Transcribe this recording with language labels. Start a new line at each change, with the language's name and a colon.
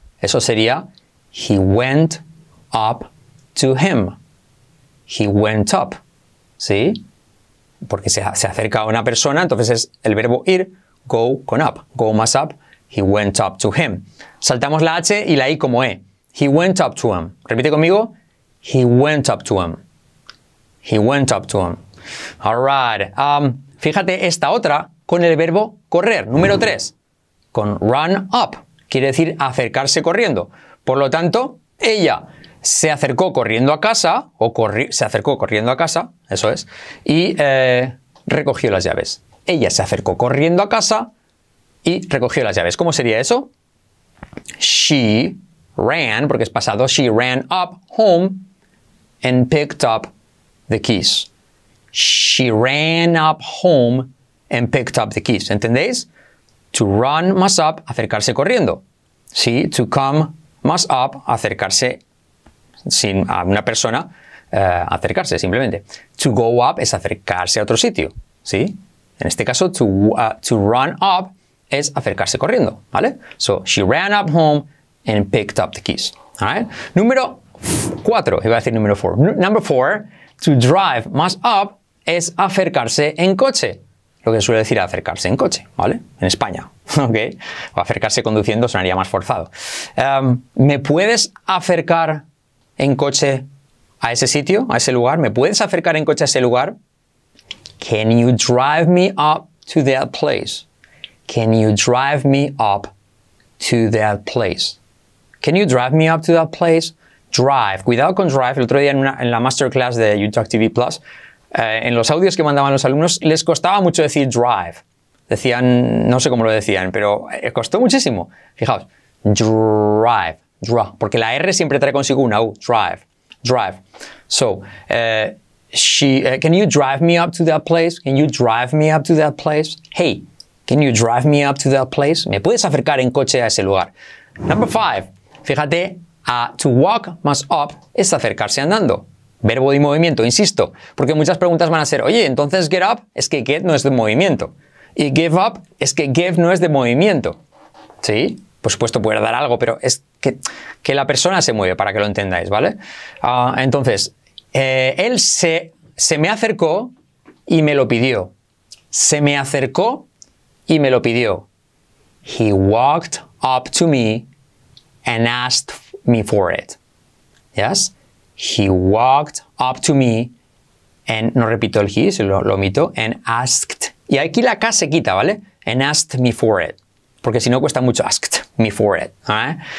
Spanish: Eso sería
English: he went up to him. He went up. ¿Sí?
Spanish: Porque se acerca a una persona, entonces es el verbo ir, go con up. Go más up.
English: He went up to him.
Spanish: Saltamos la H y la I como E.
English: He went up to him. Repite conmigo. He went up to him. He went up to him. All right.
Spanish: Fíjate esta otra con el verbo correr. Número 3. Con run up. Quiere decir acercarse corriendo. Por lo tanto, ella se acercó corriendo a casa. Se acercó corriendo a casa. Eso es. Y recogió las llaves. Ella se acercó corriendo a casa y recogió las llaves. ¿Cómo sería eso?
English: She ran,
Spanish: porque es pasado,
English: she ran up home and picked up the keys. She ran up home and picked up the keys.
Spanish: ¿Entendéis? To run más up, acercarse corriendo. ¿Sí? To come más up, acercarse sin a una persona, acercarse simplemente. To go up es acercarse a otro sitio. ¿Sí? En este caso, to run up es acercarse corriendo, ¿vale?
English: So, she ran up home and picked up the keys, ¿vale?
Spanish: Número 4, iba a decir número 4.
English: Number 4, to drive
Spanish: más up es acercarse en coche. Lo que suele decir acercarse en coche, ¿vale? En España, ¿ok? O acercarse conduciendo sonaría más forzado. ¿Me puedes acercar en coche a ese sitio, a ese lugar? ¿Me puedes acercar en coche a ese lugar?
English: Can you drive me up to that place? Can you drive me up to that place? Can you drive me up to that place? Drive.
Spanish: Cuidado con drive. El otro día en la masterclass de Utah TV Plus, en los audios que mandaban los alumnos, les costaba mucho decir drive. Decían, no sé cómo lo decían, pero costó muchísimo. Fijaos, drive, drive, porque la R siempre trae consigo una U, drive, drive.
English: So, can you drive me up to that place? Can you drive me up to that place? Hey, can you drive me up to that place?
Spanish: ¿Me puedes acercar en coche a ese lugar?
English: Number five,
Spanish: fíjate, to walk más up es acercarse andando. Verbo de movimiento, insisto, porque muchas preguntas van a ser, oye, entonces get up es que get no es de movimiento. Y give up es que give no es de movimiento. ¿Sí? Por supuesto, puede dar algo, pero es que la persona se mueve, para que lo entendáis, ¿vale? Entonces, él se me acercó y me lo pidió. Se me acercó y me lo pidió.
English: He walked up to me and asked me for it. ¿Yes? He walked up to me and,
Spanish: no repito el he, si lo omito,
English: and asked.
Spanish: Y aquí la K se quita, ¿vale?
English: And asked me for it.
Spanish: Porque si no cuesta mucho,
English: asked me for it.
Spanish: ¿Vale?